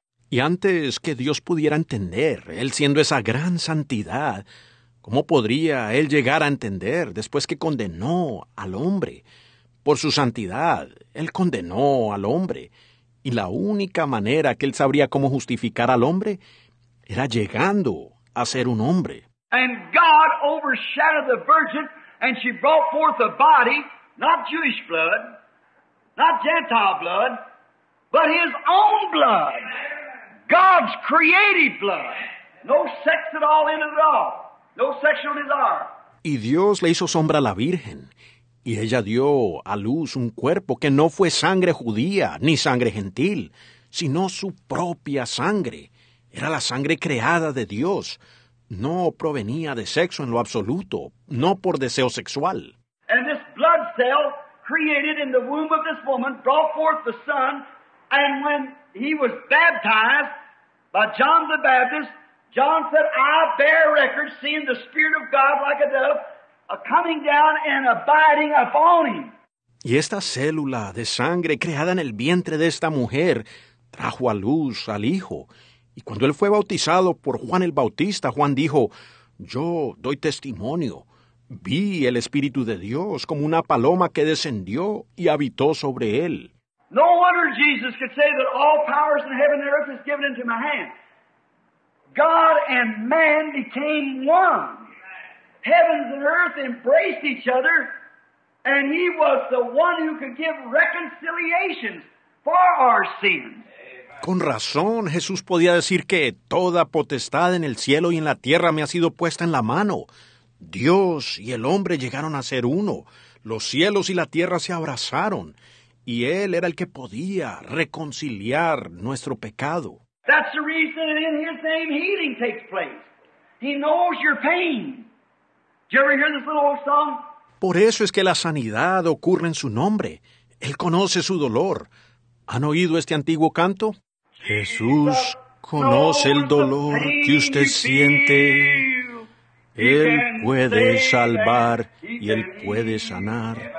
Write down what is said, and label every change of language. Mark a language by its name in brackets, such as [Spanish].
[Spanish] Y antes que Dios pudiera entender, Él siendo esa gran santidad, ¿cómo podría Él llegar a entender después que condenó al hombre? Por su santidad, Él condenó al hombre. Y la única manera que Él sabría cómo justificar al hombre era llegando a ser un hombre. [English] And God overshadowed the virgin. And she brought forth a body, not Jewish blood, not Gentile blood, but his own blood, God's creative blood. No sex at all in it at all. No sexual desire. [Spanish] Y Dios le hizo sombra a la Virgen, y ella dio a luz un cuerpo que no fue sangre judía ni sangre gentil, sino su propia sangre. Era la sangre creada de Dios. No provenía de sexo en lo absoluto, no por deseo sexual. [English] And this blood cell created in the womb of this woman brought forth the Son, and when he was baptized by John the Baptist, John said, I bear record seeing the Spirit of God like a dove coming down and abiding upon him. [Spanish] Y esta célula de sangre creada en el vientre de esta mujer trajo a luz al Hijo. Y cuando él fue bautizado por Juan el Bautista, Juan dijo, yo doy testimonio, vi el Espíritu de Dios como una paloma que descendió y habitó sobre él. [English] No wonder Jesus could say that all powers in heaven and earth is given into my hand. God and man became one. Heavens and earth embraced each other, and he was the one who could give reconciliations for our sins. [Spanish] Con razón, Jesús podía decir que toda potestad en el cielo y en la tierra me ha sido puesta en la mano. Dios y el hombre llegaron a ser uno. Los cielos y la tierra se abrazaron. Y Él era el que podía reconciliar nuestro pecado. [English] That's the reason in His name healing takes place. He knows your pain. Did you ever hear this little old song? [Spanish] Por eso es que la sanidad ocurre en su nombre. Él conoce su dolor. ¿Han oído este antiguo canto? Jesús conoce el dolor que usted siente. Él puede salvar y Él puede sanar.